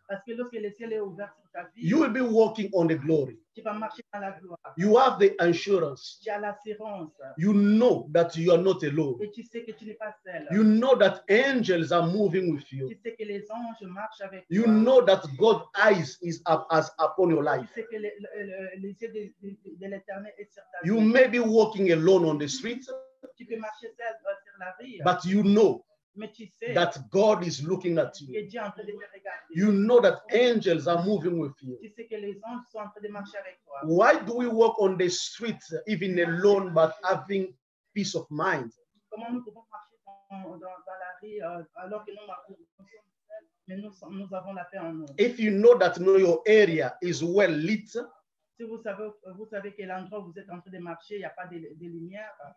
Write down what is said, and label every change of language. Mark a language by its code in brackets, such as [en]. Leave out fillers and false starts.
[fr] parce que lorsque le ciel est ouvert sur ta vie, [en] you will be walking on the glory. [fr] Tu vas marcher dans la gloire. [en] You have the assurance. [fr] Tu as l'assurance. [en] You know that you are not alone. [fr] Et tu sais que tu n'es pas seul. [en] You know that angels are moving with you. [fr] Tu sais que les anges marchent avec [en] you [fr] toi. [en] Know that God's eyes is up, as upon your life. [fr] Tu sais que les yeux de l'Éternel est sur ta vie. [en] You may be walking alone on the street, [fr] tu peux marcher seul sur la rue, [en] but you know. [fr] Mais tu sais [en] that God is looking at you. [fr] Que Dieu est en train de te regarder. [en] You know that angels are moving with you. [fr] Tu sais que les anges sont en train de marcher avec toi. [en] Why do we walk on the street even alone but having peace of mind? [fr] Comment nous pouvons marcher dans la rue alors que nous marchons seuls, mais nous avons la paix en nous? [en] If you know that your area is well lit, [fr] si vous savez que l'endroit où vous êtes en train de marcher, il y a pas de lumière.